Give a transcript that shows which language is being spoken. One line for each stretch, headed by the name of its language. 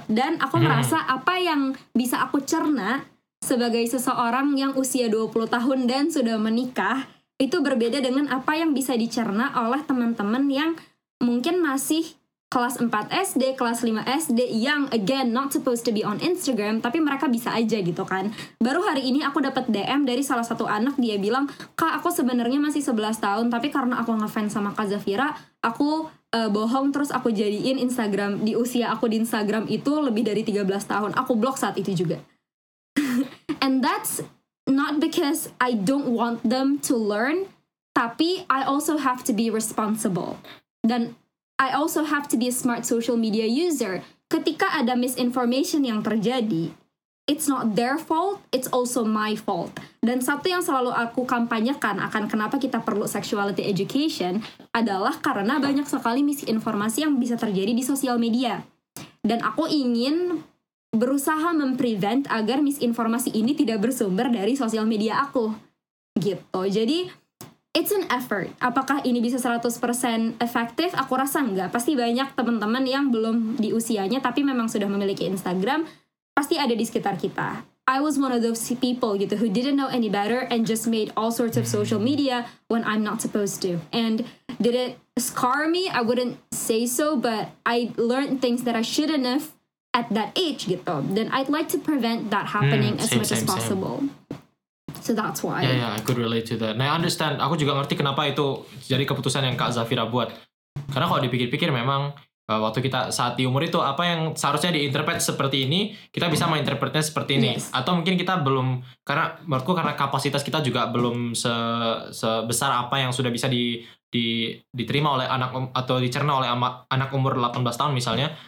Indonesian: Dan aku merasa apa yang bisa aku cerna sebagai seseorang yang usia 20 tahun dan sudah menikah, itu berbeda dengan apa yang bisa dicerna oleh teman-teman yang mungkin masih kelas 4 SD, kelas 5 SD, yang
English: again not supposed to be on Instagram,
Indonesian: tapi mereka bisa aja gitu kan. Baru hari ini aku dapat DM dari salah satu anak, dia bilang, Kak, aku sebenarnya masih 11 tahun, tapi karena aku ngefans sama Kak Zafira, aku bohong, terus aku jadiin Instagram, di usia aku di Instagram itu lebih dari 13 tahun, aku blok saat itu juga.
English: And that's not because I don't want them to learn,
Indonesian: tapi
English: I also have to be responsible.
Indonesian: Dan
English: I also have to be a smart social media user.
Indonesian: Ketika ada misinformation yang terjadi,
English: it's not their fault, it's also my fault.
Indonesian: Dan satu yang selalu aku kampanyekan akan kenapa kita perlu sexuality education adalah karena banyak sekali misinformasi yang bisa terjadi di sosial media. Dan aku ingin berusaha memprevent agar misinformasi ini tidak bersumber dari sosial media aku. Gitu, jadi
English: it's an effort.
Indonesian: Apakah ini bisa 100% efektif? Aku rasa enggak. Pasti banyak teman-teman yang belum di usianya, tapi memang sudah memiliki Instagram, pasti ada di sekitar kita.
English: I was one of those people
Indonesian: gitu
English: who didn't know any better and just made all sorts of social media when I'm not supposed to. And did it scar me? I wouldn't say so, but I learned things that I shouldn't have at that age
Indonesian: gitu.
English: Then I'd like to prevent that happening as much as possible. So that's why. Yeah, I could relate to that. Now I understand.
Indonesian: Aku juga ngerti kenapa itu jadi keputusan yang Kak Zafira buat. Karena kalau dipikir-pikir memang waktu kita saat di umur itu apa yang seharusnya diinterpret seperti ini, kita bisa menginterpretnya seperti ini.
English: Yes.
Indonesian: Atau mungkin kita belum, karena menurutku karena kapasitas kita juga belum sebesar apa yang sudah bisa diterima oleh anak atau dicerna oleh anak umur 18 tahun misalnya.